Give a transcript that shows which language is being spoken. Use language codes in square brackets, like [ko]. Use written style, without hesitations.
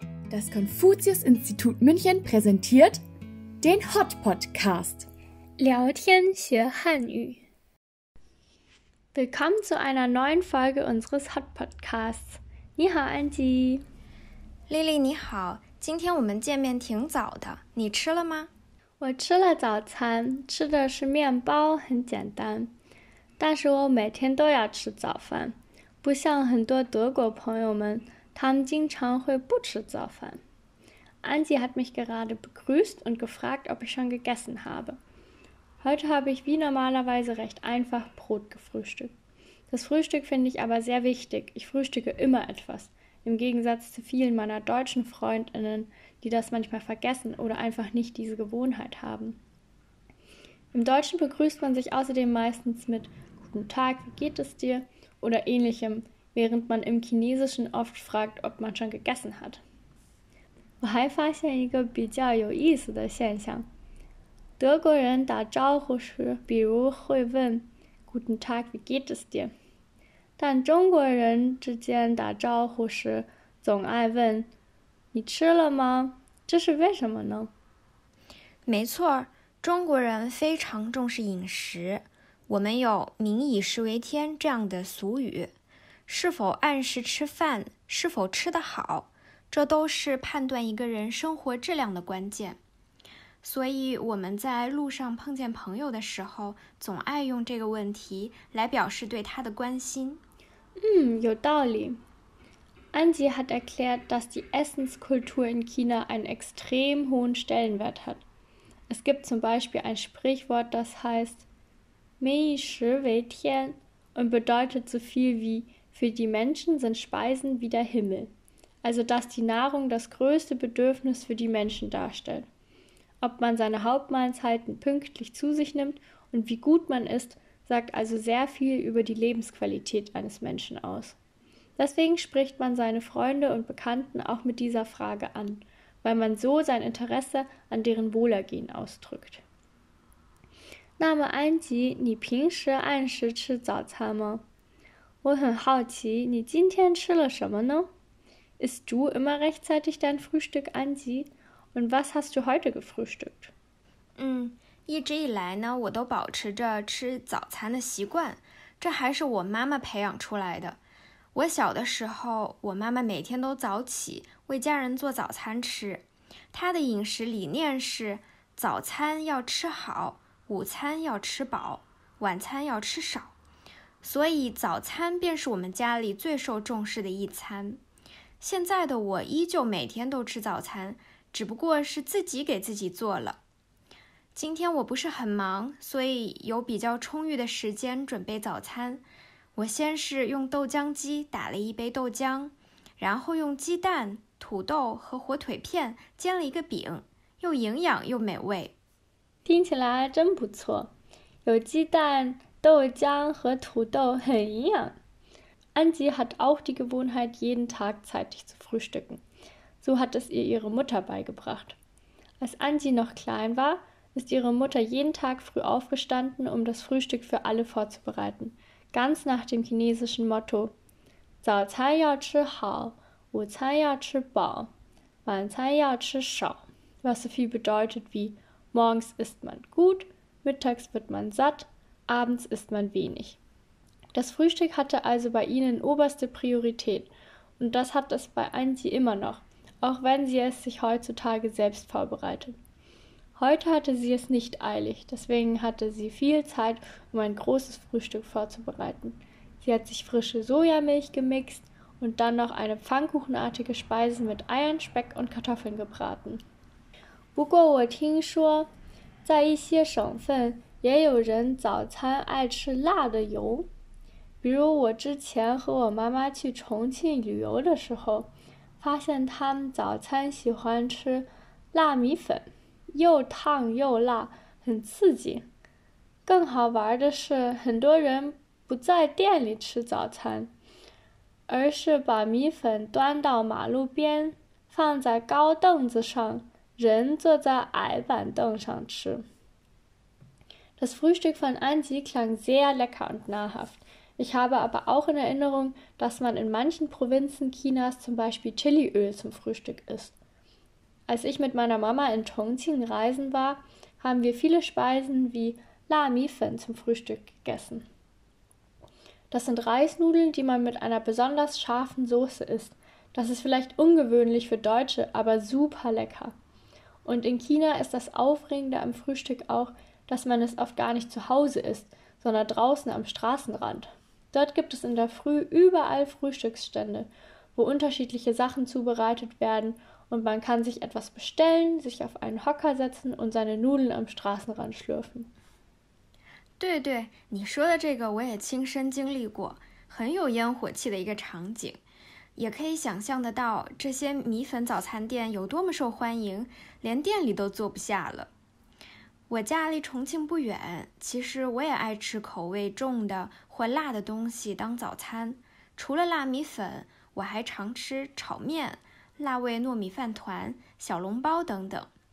[de] Das Konfuzius-Institut München präsentiert den Hot-Podcast. [zh] Liaotian xue hanyu. [de] Willkommen zu einer neuen Folge unseres Hot-Podcasts. [zh] Ni hao, Angie. Lili, ni hao. 今天我们见面挺早的，你吃了吗？我吃了早餐，吃的是面包，很简单。但是我每天都要吃早饭，不像很多德国朋友们，他们经常会不吃早饭。 [de] Angie hat mich gerade begrüßt und gefragt, ob ich schon gegessen habe. Heute habe ich wie normalerweise recht einfach Brot gefrühstückt. Das Frühstück finde ich aber sehr wichtig. Ich frühstücke immer etwas, im Gegensatz zu vielen meiner deutschen Freundinnen, die das manchmal vergessen oder einfach nicht diese Gewohnheit haben. Im Deutschen begrüßt man sich außerdem meistens mit Guten Tag, wie geht es dir? Oder ähnlichem, während man im Chinesischen oft fragt, ob man schon gegessen hat. [zh] 我还发现一个比较有意思的现象。德国人打招呼时，比如会问 [de] Guten Tag, wie geht es dir? [zh] 但中国人之间打招呼时，总爱问你吃了吗？这是为什么呢？没错，中国人非常重视饮食。我们有民以食为天这样的俗语，是否按时吃饭，是否吃得好，这都是判断一个人生活质量的关键。所以我们在路上碰见朋友的时候，总爱用这个问题来表示对他的关心。嗯，有道理。 [de] Angie hat erklärt, dass die Essenskultur in China einen extrem hohen Stellenwert hat. Es gibt zum Beispiel ein Sprichwort, das heißt [zh] 民以食为天 [de] und bedeutet so viel wie für die Menschen sind Speisen wie der Himmel. Also dass die Nahrung das größte Bedürfnis für die Menschen darstellt. Ob man seine Hauptmahlzeiten pünktlich zu sich nimmt und wie gut man isst, sagt also sehr viel über die Lebensqualität eines Menschen aus. Deswegen spricht man seine Freunde und Bekannten auch mit dieser Frage an, weil man so sein Interesse an deren Wohlergehen ausdrückt. [zh] 那么安吉，你平时按时吃早餐吗？我很好奇，你今天吃了什么呢？ [de] Isst du immer rechtzeitig dein Frühstück, Angie? Und was hast du heute gefrühstückt? [zh] 一直以来呢，我都保持着吃早餐的习惯，这还是我妈妈培养出来的。我小的时候，我妈妈每天都早起，为家人做早餐吃。她的饮食理念是，早餐要吃好，午餐要吃饱，晚餐要吃少。所以早餐便是我们家里最受重视的一餐。现在的我依旧每天都吃早餐，只不过是自己给自己做了。今天我不是很忙，所以有比较充裕的时间准备早餐。我先是用豆浆机打了一杯豆浆，然后用鸡蛋、土豆和火腿片煎了一个饼，又营养又美味。听起来真不错，有鸡蛋、豆浆和土豆很营养。 [de] Angie hat auch die Gewohnheit, jeden Tag zeitig zu frühstücken. So hat es ihr ihre Mutter beigebracht. Als Angie noch klein war, ist ihre Mutter jeden Tag früh aufgestanden, um das Frühstück für alle vorzubereiten. Ganz nach dem chinesischen Motto [zh] 早餐要吃好，午餐要吃饱，晚餐要吃少。 [de] Was so viel bedeutet wie morgens isst man gut, mittags wird man satt, abends isst man wenig. Das Frühstück hatte also bei ihnen oberste Priorität und das hat es bei Angie immer noch, auch wenn sie es sich heutzutage selbst vorbereitet. Heute hatte sie es nicht eilig, deswegen hatte sie viel Zeit, um ein großes Frühstück vorzubereiten. Sie hat sich frische Sojamilch gemixt und dann noch eine pfannkuchenartige Speise mit Eiern, Speck und Kartoffeln gebraten. [zh] 不过我听说，在一些省份也有人早餐爱吃辣的油。比如我之前和我妈妈去重庆旅游的时候，发现他们早餐喜欢吃辣米粉，又烫又辣，很刺激。更好玩的是，很多人不在店里吃早餐，而是把米粉端到马路边，放在高凳子上，人坐在矮板凳上吃。 [de] Das Frühstück von Angie klang sehr lecker und nahrhaft. Ich habe aber auch in Erinnerung, dass man in manchen Provinzen Chinas zum Beispiel Chiliöl zum Frühstück isst. Als ich mit meiner Mama in Chongqing reisen war, haben wir viele Speisen wie La Mi Fen zum Frühstück gegessen. Das sind Reisnudeln, die man mit einer besonders scharfen Soße isst. Das ist vielleicht ungewöhnlich für Deutsche, aber super lecker. Und in China ist das Aufregende am Frühstück auch, dass man es oft gar nicht zu Hause isst, sondern draußen am Straßenrand. Dort gibt es in der Früh überall Frühstücksstände, wo unterschiedliche Sachen zubereitet werden und man kann sich etwas bestellen, sich auf einen Hocker setzen und seine Nudeln am Straßenrand schlürfen. [zh] 对对，你说的这个我也亲身经历过，很有烟火气的一个场景，也可以想象得到这些米粉早餐店有多么受欢迎，连店里都坐不下了。我家离重庆不远，其实我也爱吃口味重的或辣的东西当早餐，除了辣米粉，我还常吃炒面、辣味糯米饭团、小笼包等等。